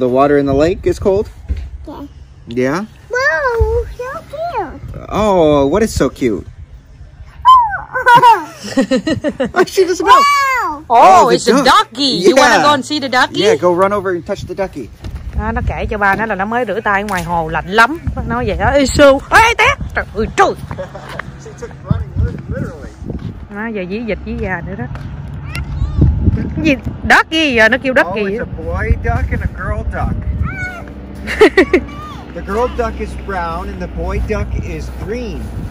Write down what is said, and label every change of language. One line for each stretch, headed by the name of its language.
English: The water in the lake is cold? Yeah. Yeah? Whoa, so cute. Oh, what is so cute? Oh, she just smelled. Wow. Oh, it's a ducky. Yeah. You want to go and see the ducky? Yeah, go run over and touch the ducky.
Vietnamese: Nó kể cho ba nó là nó mới rửa tay ngoài hồ lạnh lắm. Nó nói vậy đó. Ê, sô. Ê, té. Trời ơi, trời. Nó giờ dí dịch dí gà nữa đó. Cái gì? Ducky. Giờ nó kêu ducky.
English: Oh, it's a boy duck and a girl duck. The girl duck is brown and the boy duck is green.